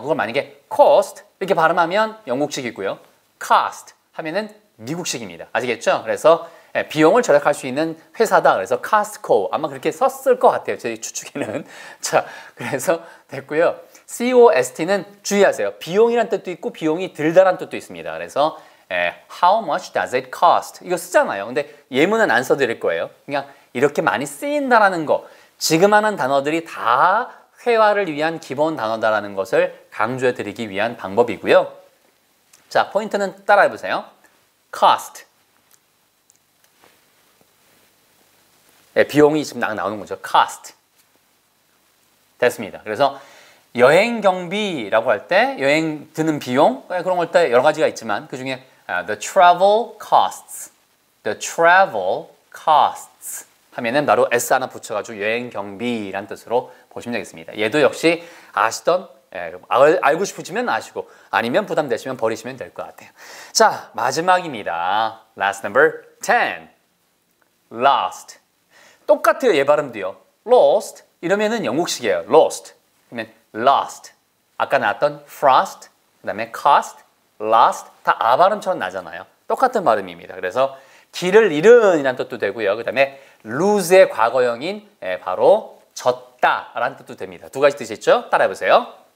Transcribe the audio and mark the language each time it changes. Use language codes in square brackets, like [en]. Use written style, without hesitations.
[ko] 그걸 만약에 cost 이렇게 발음하면 영국식이고요. Cast 하면은 미국식입니다. 아시겠죠? 그래서 예, 비용을 절약할 수 있는 회사다. 그래서 Costco 아마 그렇게 썼을 것 같아요. 제 추측에는. 자, 그래서 됐고요. COST는 주의하세요. 비용이란 뜻도 있고 비용이 들다란 뜻도 있습니다. 그래서 예, [en] How much does it cost? [ko] 이거 쓰잖아요. 근데 예문은 안 써드릴 거예요. 그냥 이렇게 많이 쓰인다라는 거. 지금 하는 단어들이 다 회화를 위한 기본 단어다라는 것을 강조해드리기 위한 방법이고요. 자, 포인트는 따라해보세요. [en] Cost. [ko] 예, 비용이 지금 나오는 거죠. Cost. 됐습니다. 그래서 여행 경비라고 할 때 여행 드는 비용 그런 걸 때 여러 가지가 있지만 그 중에 [en] the travel costs. The travel costs [ko] 하면은 바로 S 하나 붙여가지고 여행 경비란 뜻으로 보시면 되겠습니다. 얘도 역시 아시던 예, 알고 싶으시면 아시고 아니면 부담되시면 버리시면 될 것 같아요. 자, 마지막입니다. [en] Last number 10. Lost. [ko] 똑같아요. 얘 발음도요. Lost 이러면은 영국식이에요. [en] Lost [ko] 그러면 [en] lost. [ko] 아까 나왔던 frost 그 다음에 cost, lost 다 아 발음처럼 나잖아요. 똑같은 발음입니다. 그래서 길을 잃은이란 뜻도 되고요. 그 다음에 lose의 과거형인 예, 바로 졌다라는 뜻도 됩니다. 두 가지 뜻이죠. 따라해보세요.